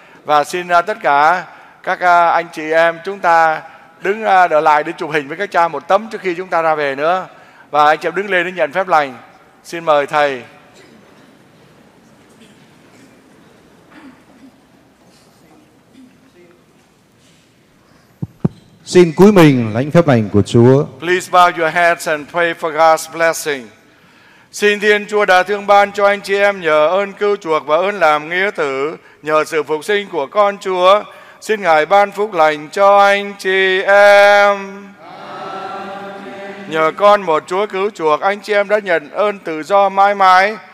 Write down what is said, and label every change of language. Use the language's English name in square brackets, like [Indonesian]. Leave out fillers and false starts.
[Vietnamese] Và xin tất cả các anh chị em chúng ta đứng ở lại để chụp hình với các cha một tấm trước khi chúng ta ra về nữa. Và anh chị em đứng lên để nhận phép lành. Xin mời thầy. Xin cúi mình lãnh phép lành của Chúa. [English] Please bow your heads and pray for God's blessing. [Vietnamese] Xin Thiên Chúa đã thương ban cho anh chị em nhờ ơn cứu chuộc và ơn làm nghĩa tử, nhờ sự phục sinh của con Chúa. Xin Ngài ban phúc lành cho anh chị em. Nhờ con một Chúa cứu chuộc, anh chị em đã nhận ơn tự do mãi mãi.